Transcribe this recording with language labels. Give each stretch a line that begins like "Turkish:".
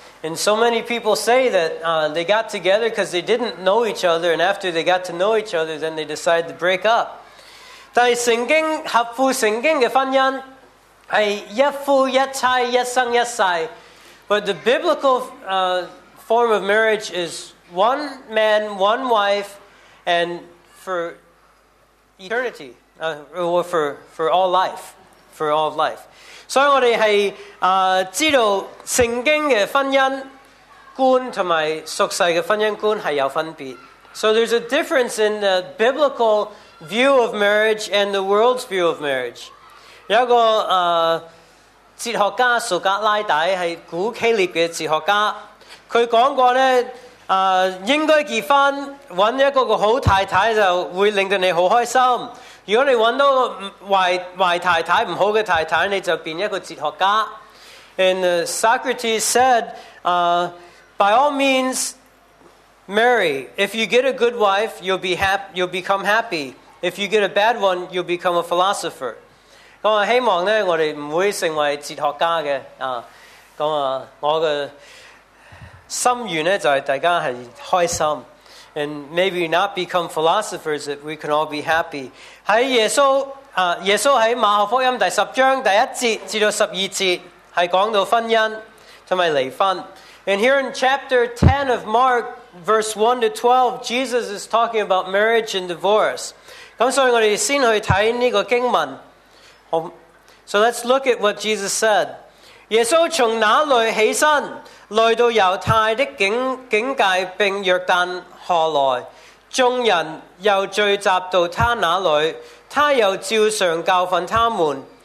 English: And so many people say that they got together because they didn't know each other, and after they got to know each other, then they decided to break up.
Cantonese: 但是圣经合乎圣经的婚姻是一夫一妻一生一世。
English: But the biblical form of marriage is one man, one wife, and for eternity. For all life.
Cantonese: 所以我哋系知道圣经嘅婚姻观同埋俗世嘅婚姻观系有分别。
English: So there's a difference in the biblical view of marriage and the world's view of marriage.
Cantonese: 有一个哲学家苏格拉底系古希腊嘅哲学家，佢讲过咧，应该结婚，揾一个好太太就会令到你好开心。如果你找到壞太太、不好的太太，你就變成一個哲學家。
English: And Socrates said, by all means, marry. If you get a good wife, you'll become happy. If you get a bad one, you'll become a philosopher.
Cantonese: 我希望呢，我們不會成為哲學家的。我的心願呢，就是大家是開心。
English: And maybe not become philosophers, that we can all be happy.
Cantonese: 在耶稣在马可福音第十章第一节至到十二节是讲到婚姻和离婚。
English: And here in chapter 10 of Mark, verse 1 to 12, Jesus is talking about marriage and divorce.
Cantonese: 所以我们先去看这个经文。
English: So let's look at what Jesus said.
Cantonese: 耶稣从那里起身，来到犹太的境界并约旦河来，众人又聚集到他那里，他又照常教训他们。